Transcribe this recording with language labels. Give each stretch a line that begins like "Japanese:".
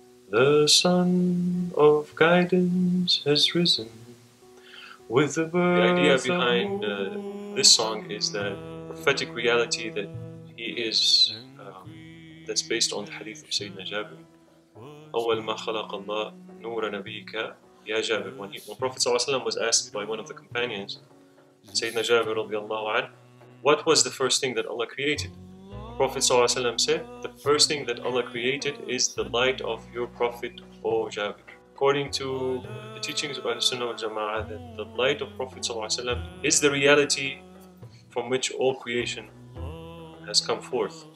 English: The sun of guidance has risen. With the idea behind this song is that prophetic reality that he is, that's based on the hadith of Sayyidina Jabir.
Arabic: أول ما خلق الله نور نبيك يا جابر.
English: When Prophet ﷺ was asked by one of the companions, Sayyidina Jabir
Arabic: رضي الله عنه,
English: what was the first thing that Allah created? Prophet ﷺ said, the first thing that Allah created is the light of your Prophet, O Jabir. According to the teachings of Al-Sunnah al-Jama'ah, that the light of Prophet ﷺ is the reality from which all creation has come forth.